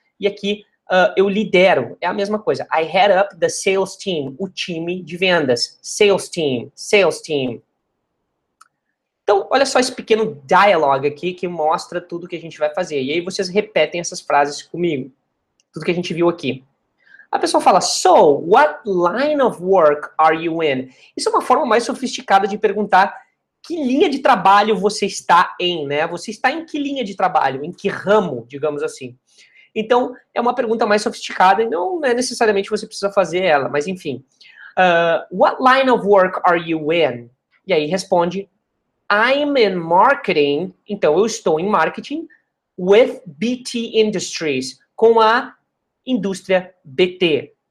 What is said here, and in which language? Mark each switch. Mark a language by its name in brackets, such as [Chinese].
[Portuguese] E aqui, eu lidero. É a mesma coisa. [English] I head up the sales team. [Portuguese] O time de vendas. Sales team. Sales team. Então, olha só esse pequeno dialogue aqui que mostra tudo que a gente vai fazer. E aí, vocês repetem essas frases comigo. Tudo que a gente viu aqui. A pessoa fala, [English] so, what line of work are you in? [Portuguese] Isso é uma forma mais sofisticada de perguntar que linha de trabalho você está em, né? Você está em que linha de trabalho? Em que ramo, digamos assim? Então, é uma pergunta mais sofisticada e não é necessariamente você precisa fazer ela, mas enfim. [English] What line of work are you in? [Portuguese] E aí responde, [English] I'm in marketing, [Portuguese] então eu estou em marketing, [English] with BT Industries, [Portuguese] com a indústria BT.